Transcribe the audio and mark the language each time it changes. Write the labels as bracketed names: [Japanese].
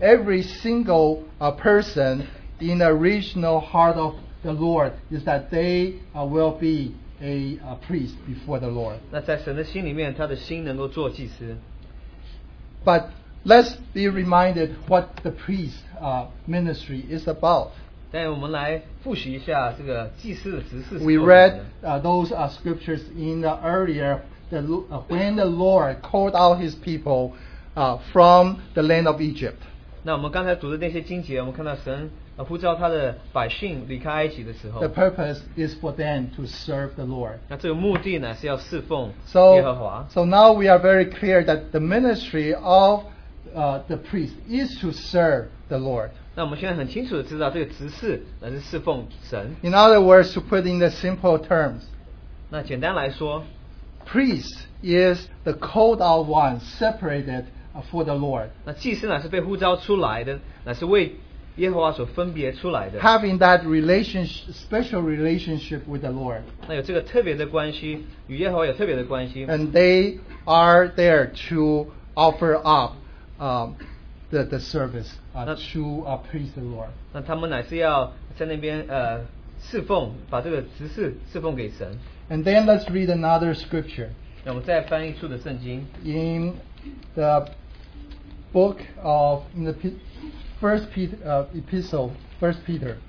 [English] every single person in the original heart of the Lord is that they will be a priest before the Lord. [Chinese] 那在神的心里面，他的心能够做祭司。 [English] But let's be reminded what the priest ministry is about. [Chinese] 但我们来复习一下这个祭司的职事是什么的。 [English] We read those scriptures in the earlier, when the Lord called out his people from the land of Egypt. [Chinese] 那我们刚才读的那些经节，我们看到神 呼召他的百姓离开埃及的时候, [English] the purpose is for them to serve the Lord. [Chinese] 那这个目的呢，是要侍奉耶和华。 [English] So now we are very clear that the ministry of the priest is to serve the Lord. [Chinese] 那我们现在很清楚地知道，这个职事乃是侍奉神。 [English] In other words, to put in the simple terms, [Chinese] 那简单来说, [English] priest is the called out one, separated for the Lord. [Chinese] 那祭司乃是被呼召出来的，乃是为 [English] having that relationship, special relationship with the Lord. [Chinese] 那有这个特别的关系，与耶和华有特别的关系。 [English] And they are there to offer up the service, true a priest the Lord. [Chinese] 那他们乃是要在那边侍奉，把这个职事侍奉给神。 [English] And then let's read another scripture. [Chinese] 那我们再翻译出的圣经。 [English] In the book of in the first Peter epistle, first Peter.